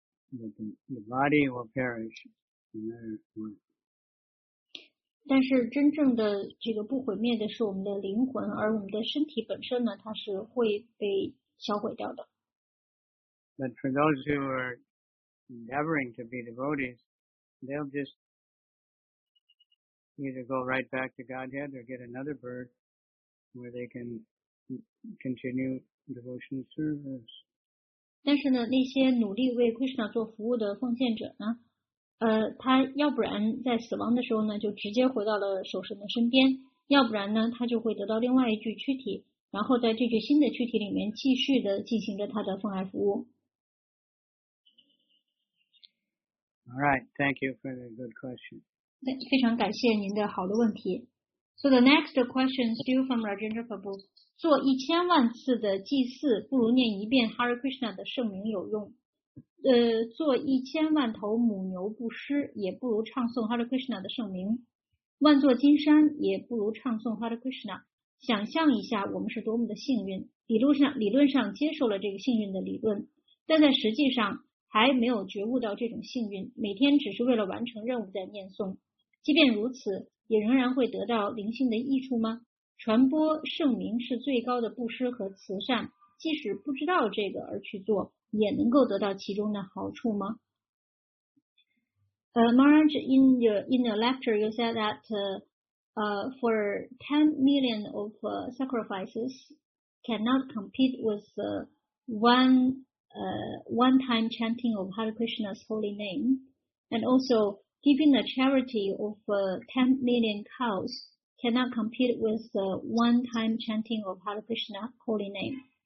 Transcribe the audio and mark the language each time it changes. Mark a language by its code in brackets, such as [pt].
[en] The body will perish, another one. [zh] 但是真正的这个不毁灭的是我们的灵魂，而我们的身体本身呢，它是会被销毁掉的。 [en] But for those who are endeavoring to be devotees, they'll just. Either go right back to Godhead or get another bird where they can continue devotional service. [zh] 但是呢，那些努力为 Krishna 做服务的奉献者呢，他要不然在死亡的时候呢，就直接回到了守神的身边；要不然呢，他就会得到另外一具躯体，然后在这具新的躯体里面继续的进行着他的奉爱服务。 [en] All right, thank you for the good question. [zh] 非常感谢您的好的问题。 [en] So the next question still from Rajendra Prabhu. [zh] 做一千万次的祭祀不如念一遍 Hare Krishna 的圣名有用。做一千万头母牛布施也不如唱诵 Hare Krishna 的圣名。万座金山也不如唱诵 Hare Krishna。想象一下我们是多么的幸运，理论上接受了这个幸运的理论，但在实际上还没有觉悟到这种幸运，每天只是为了完成任务在念诵。即便如此，也仍然会得到灵性的益处吗？传播圣名是最高的布施和慈善，即使不知道这个而去做，也能够得到其中的好处吗？ [en] Maharaj, in the lecture, you said that for 10 million of sacrifices cannot compete with one-time chanting of Hare Krishna's holy name, and also giving a charity of 10 million cows cannot compete with one-time chanting of Hare Krishna's holy name.